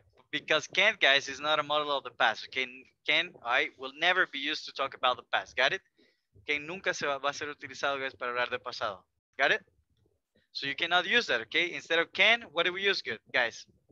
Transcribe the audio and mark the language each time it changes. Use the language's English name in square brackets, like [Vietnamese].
[English] Because can't, guys, is not a model of the past. Okay, can, all right, will never be used to talk about the past. Got it? [Spanish] Okay, nunca se va a ser utilizado, guys, para hablar del pasado. [English] Got it? So you cannot use that, okay? Instead of can, what do we use, good guys?